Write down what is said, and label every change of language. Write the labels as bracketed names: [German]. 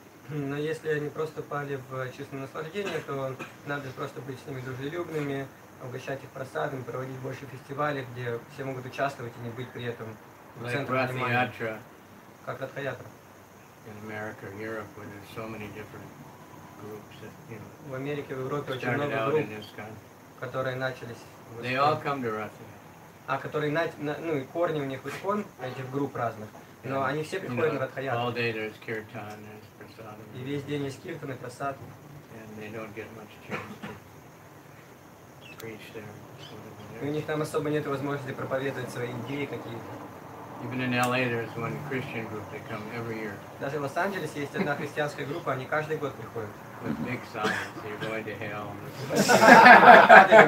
[Russian] Но если они просто пали в чистое наслаждение, то надо просто быть с ними дружелюбными, угощать их просадом, проводить больше фестивалей, где все могут участвовать и не быть при этом в центре внимания. Как Радхаятра. В Америке, в Европе очень много групп, которые начались. [English] They all come to Ratha. [Russian] А которые ну и корни у них искон, этих групп разных. Но они все приходят на Радхаятру. [English] All day there's kirtan, there's prasad. [Russian] И весь день есть киртан и прасад. [English] And they don't get much chance to preach there. [Russian] У них там особо нет возможности проповедовать свои идеи какие-то. [English] Even in LA, there's one Christian group that come every year. [Russian] Даже в Лос-Анджелесе есть одна христианская группа, они каждый год приходят. [English] With big signs, you're going to hell.